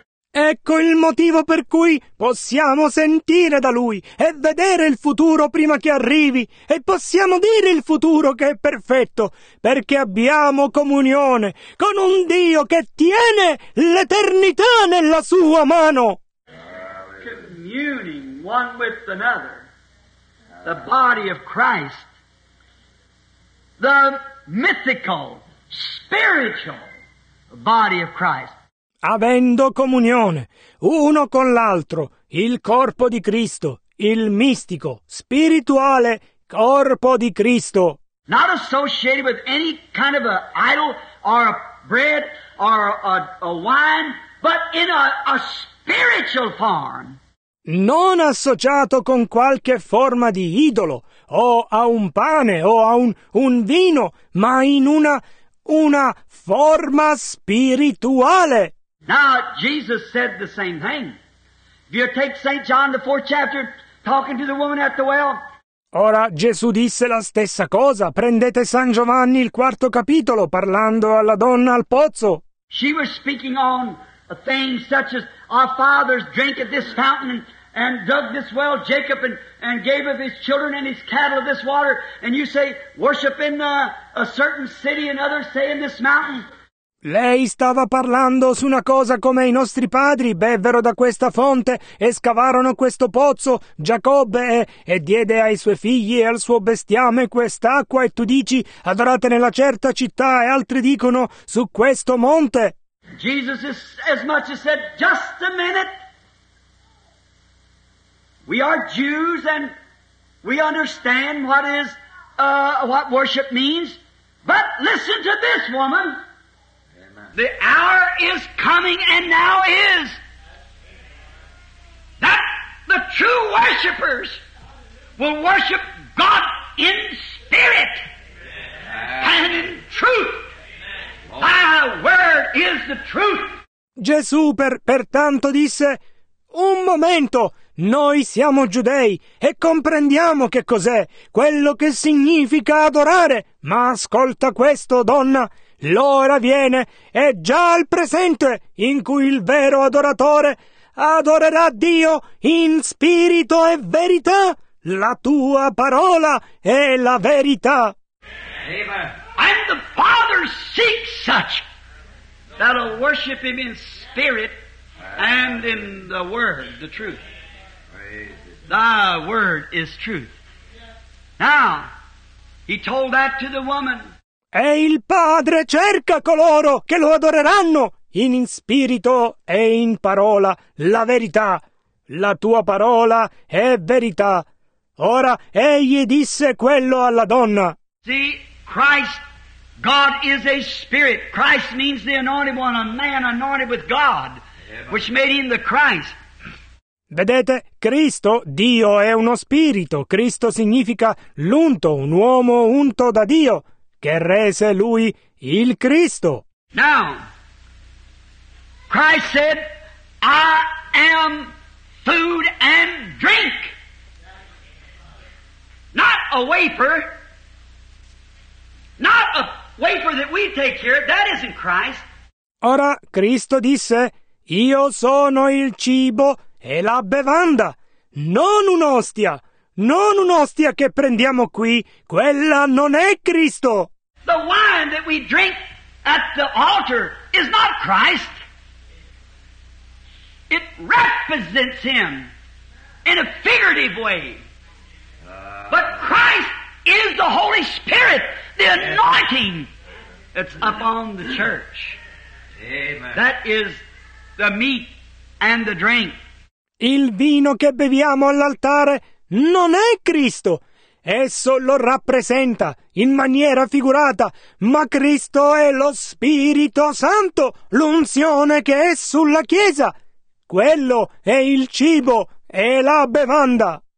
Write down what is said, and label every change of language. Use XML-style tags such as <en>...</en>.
<it>Ecco il motivo per cui possiamo sentire da lui e vedere il futuro prima che arrivi, e possiamo dire il futuro che è perfetto, perché abbiamo comunione con un Dio che tiene l'eternità nella sua mano.</it> <en>Communing one with another, the body of Christ, the mythical, spiritual body of Christ.</en> <it>Avendo comunione uno con l'altro, il corpo di Cristo, il mistico, spirituale corpo di Cristo.</it> <en>Not associated with any kind of a idol or a bread or a wine, but in a spiritual form.</en> <it>Non associato con qualche forma di idolo, o a un pane, o a un vino, ma in una forma spirituale.</it> <en>Now, Jesus said the same thing. If you take St. John, the 4th chapter, talking to the woman at the well.</en> <it>Ora, Gesù disse la stessa cosa. Prendete San Giovanni, il 4th capitolo, parlando alla donna al pozzo.</it> <en>She was speaking on a thing such as, our fathers drank at this fountain and dug this well, Jacob, and gave of his children and his cattle of this water. And you say, worship in a certain city, and others say in this mountain.</en> <it>Lei stava parlando su una cosa come i nostri padri bevvero da questa fonte e scavarono questo pozzo, Giacobbe, e diede ai suoi figli e al suo bestiame quest'acqua, e tu dici, adorate nella certa città, e altri dicono, su questo monte.</it> <en>Jesus is as much as said, just a minute. We are Jews and we understand what worship means, but listen to this woman. The hour is coming, and now is, that the true worshipers will worship God in spirit and in truth. Thy word is the truth.</en> <it>Gesù pertanto disse, un momento, noi siamo giudei e comprendiamo che cos'è, quello che significa adorare, ma ascolta questo, donna. L'ora viene, è già al presente, in cui il vero adoratore adorerà Dio in spirito e verità. La tua parola è la verità. Amen.</it> <en>And the Father seeks such that will worship him in spirit and in the word, the truth. Thy word is truth. Now, he told that to the woman.</en> <it>E il Padre cerca coloro che lo adoreranno in spirito e in parola, la verità. La tua parola è verità. Ora egli disse quello alla donna.</it> <en>See, Christ, God is a spirit. Christ means the anointed one, a man anointed with God, which made him the Christ.</en> <it>Vedete, Cristo, Dio, è uno spirito. Cristo significa l'unto, un uomo unto da Dio, che rese lui il Cristo.</it> <en>Now, Christ said, I am food and drink, not a wafer, not a wafer that we take here, that isn't Christ.</en> <it>Ora, Cristo disse, io sono il cibo e la bevanda, non un'ostia, non un'ostia che prendiamo qui, quella non è Cristo.</it> <en>The wine that we drink at the altar is not Christ. It represents Him in a figurative way. But Christ is the Holy Spirit, the anointing that's upon the church. Amen. That is the meat and the drink.</en> <it>Il vino che beviamo all'altare non è Cristo. Esso lo rappresenta in maniera figurata, ma Cristo è lo Spirito Santo, l'unzione che è sulla Chiesa. Quello è il cibo e la bevanda.</it>